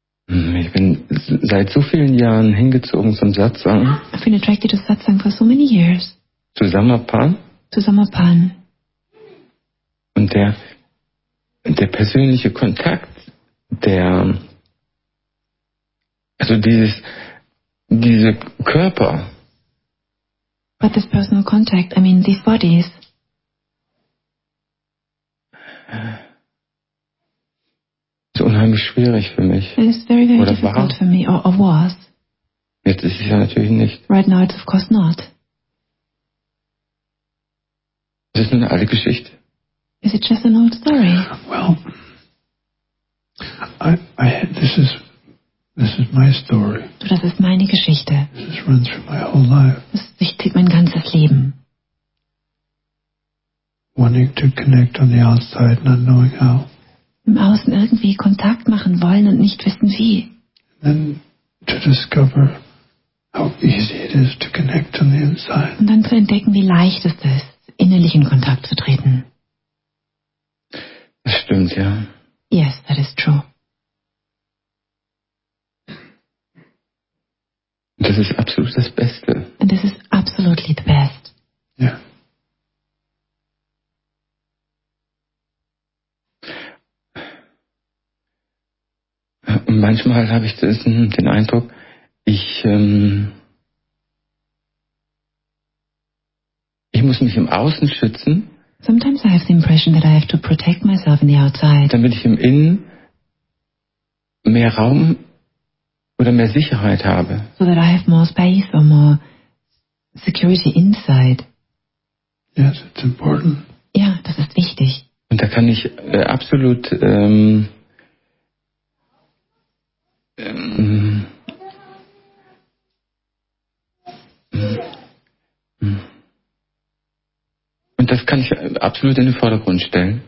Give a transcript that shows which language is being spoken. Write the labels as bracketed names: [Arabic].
[German] Ich bin seit so vielen Jahren hingezogen zum Satsang. [English] I've been attracted to Satsang for so many years. [German] Zu Samapan. Zu Samapan. Und der persönliche Kontakt, der, also diese Körper. [English] But this personal contact, I mean these bodies. [German] Unheimlich schwierig für mich. [English] It is very, very difficult for me, or was. [German] Jetzt ist es ja natürlich nicht. [English] Right now it's of course not. [German] Ist es eine alte Geschichte? [English] Is it just an old story? Well, this is my story. [German] Das ist meine Geschichte. [English] This runs through my whole life. [German] Das zieht mein ganzes Leben. [English] wanting to connect on the outside, not knowing how. [German] Im Außen irgendwie Kontakt machen wollen und nicht wissen wie. [English] Then to discover how easy it is to connect on the inside. [German] Und dann zu entdecken, wie leicht es ist, innerlich in Kontakt zu treten. Das stimmt, ja. [English] Yes, that is true. [German] Das ist absolut das Beste. [English] And this is absolutely the best. Ja. Yeah. [German] Und manchmal habe ich den Eindruck, ich muss mich im Außen schützen. [English] Sometimes I have the impression that I have to protect myself in the outside. [German] Damit ich im Innen mehr Raum oder mehr Sicherheit habe. [English] So that I have more space or more security inside. Yes, it's important. [German] Ja, das ist wichtig. Und da kann ich absolut und das kann ich absolut in den Vordergrund stellen.